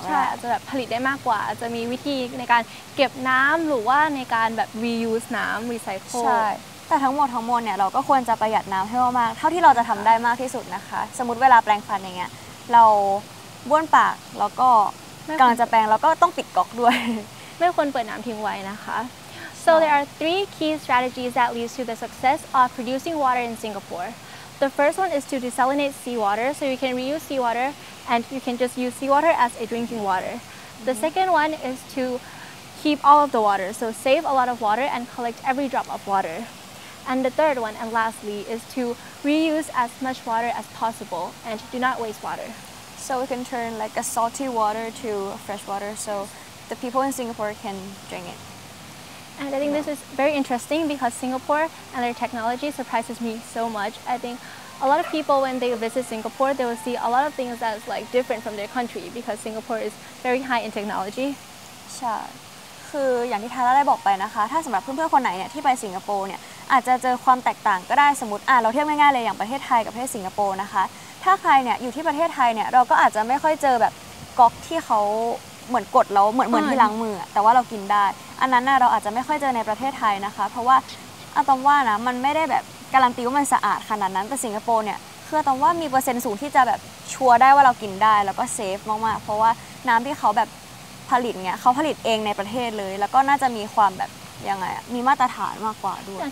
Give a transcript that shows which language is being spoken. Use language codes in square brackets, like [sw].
[th] ใช่อาจจะแบบผลิตได้มากกว่าอาจจะมีวิธีในการเก็บน้ำหรือว่าในการแบบ reuse น้ำ recycle ใช่แต่ทั้งหมดเนี่ยเราก็ควรจะประหยัดน้ำให้มากๆเท่าที่เราจะทำได้มากที่สุดนะคะสมมติเวลาแปรงฟันอย่างเงี้ยเราบ้วนปากแล้วก็กำลังจะแปรงเราก็ต้องปิดก๊อกด้วย ไม่ควรเปิดน้ำทิ้งไว้นะคะ [en] So there are three key strategies that leads to the success of producing water in Singapore. The first one is to desalinate seawater, so you can reuse seawater and you can just use seawater as a drinking water. Mm-hmm. The second one is to keep all of the water, so save a lot of water and collect every drop of water. And the third one, and lastly, is to reuse as much water as possible and do not waste water. So we can turn like a salty water to fresh water so the people in Singapore can drink it. And I think this is very interesting because Singapore and their technology surprises me so much. I think a lot of people, when they visit Singapore, they will see a lot of things that's like different from their country because Singapore is very high in technology. [th] ใช่คืออย่างที่ทาร่าได้บอกไปนะคะถ้าสำหรับเพื่อนๆคนไหนเนี่ยที่ไปสิงคโปร์เนี่ยอาจจะเจอความแตกต่างก็ได้สมมติเราเทียบง่ายๆเลยอย่างประเทศไทยกับประเทศสิงคโปร์นะคะถ้าใครเนี่ยอยู่ที่ประเทศไทยเนี่ยเราก็อาจจะไม่ค่อยเจอแบบก๊อกที่เขา เหมือนกดแล้วเหมือนที่ล้างมือแต่ว่าเรากินได้อันนั้นน่ะเราอาจจะไม่ค่อยเจอในประเทศไทยนะคะเพราะว่าอาตอมว่านะมันไม่ได้แบบการันตีว่ามันสะอาดขนาดนั้นแต่สิงคโปร์เนี่ยคืออาตอมว่ามีเปอร์เซ็นต์สูงที่จะแบบชัวร์ได้ว่าเรากินได้แล้วก็เซฟมากๆเพราะว่าน้ำที่เขาแบบผลิตเนี่ยเขาผลิตเองในประเทศเลยแล้วก็น่าจะมีความแบบยังไงมีมาตรฐานมากกว่าด้วย